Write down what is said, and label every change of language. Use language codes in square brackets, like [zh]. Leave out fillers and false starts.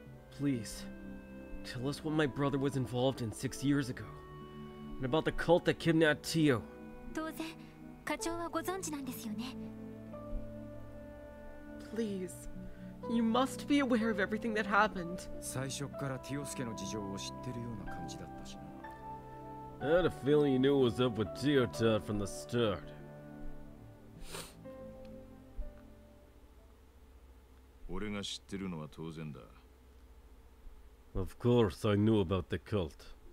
[en] Please, tell us what my brother was involved in 6 years ago, and about the cult that kidnapped Tio. [ja] 当然、課長はご存知なんですよね? [en] Please, you must be aware of everything that happened. [ja] 最初からティオスケの事情を知ってるような感じだ。 [en] I had a feeling you knew what was up with Teotard from the start. Of course, I knew about the cult.